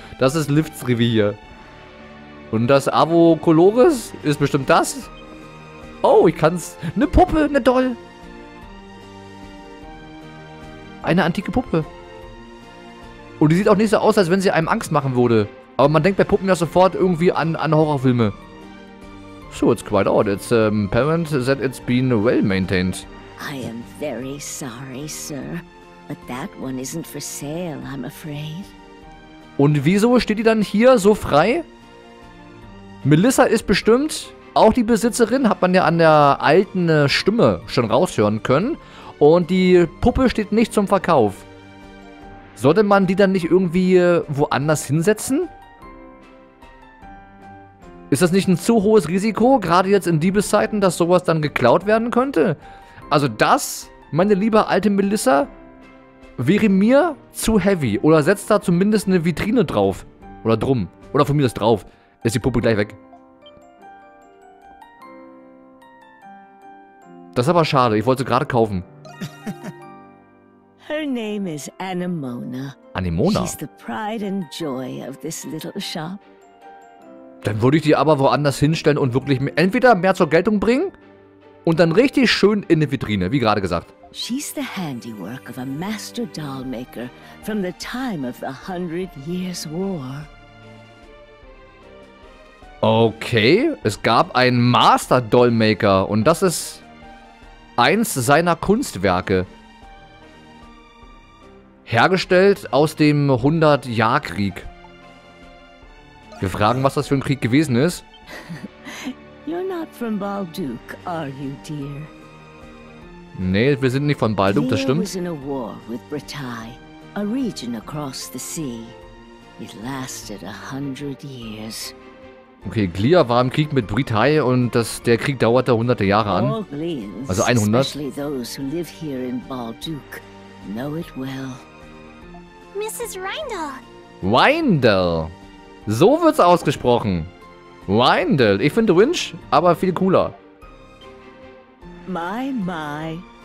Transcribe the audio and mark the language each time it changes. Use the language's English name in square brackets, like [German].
[German] Das ist Lifts Revier. Und das Avo Coloris ist bestimmt das. Oh, ich kann's. Eine Puppe, eine Doll. Eine antike Puppe. Und die sieht auch nicht so aus, als wenn sie einem Angst machen würde. Aber man denkt bei Puppen ja sofort irgendwie an Horrorfilme. [English] So, it's quite odd. It's apparent that it's been well maintained. I am very sorry, sir. But that one isn't for sale, I'm afraid. [German] Und wieso steht die dann hier so frei? Melissa ist bestimmt auch die Besitzerin, hat man ja an der alten Stimme schon raushören können. Und die Puppe steht nicht zum Verkauf. Sollte man die dann nicht irgendwie woanders hinsetzen? Ist das nicht ein zu hohes Risiko, gerade jetzt in Diebeszeiten, dass sowas dann geklaut werden könnte? Also das, meine liebe alte Melissa, wäre mir zu heavy. Oder setzt da zumindest eine Vitrine drauf. Oder drum. Oder von mir ist drauf. Ist die Puppe gleich weg. Das ist aber schade. Ich wollte sie gerade kaufen. [English] Her name is Anemona. Anemona? She's the pride and joy of this little shop. [German] Dann würde ich die aber woanders hinstellen und wirklich entweder mehr zur Geltung bringen und dann richtig schön in eine Vitrine, wie gerade gesagt. [English] She's the handiwork of a master dollmaker from the time of the Hundred Years' War. [German] Okay, es gab einen Master Dollmaker und das ist eins seiner Kunstwerke. Hergestellt aus dem 100-Jahr-Krieg. Wir fragen, was das für ein Krieg gewesen ist. [English] You're not from Balduk, are you, dear? [German] Nee, wir sind nicht von Balduk, das stimmt. [English] Was in a war with Britai, a region across the sea. It lasted 100 years. [German] Okay, Glia war im Krieg mit Britai und der Krieg dauerte hunderte Jahre an. Also 100. [English] Especially those who live here in Balduk know it well. Mrs. Rindel. [German] Rindel. So wird's ausgesprochen. Rindel. Ich finde Winch aber viel cooler. My.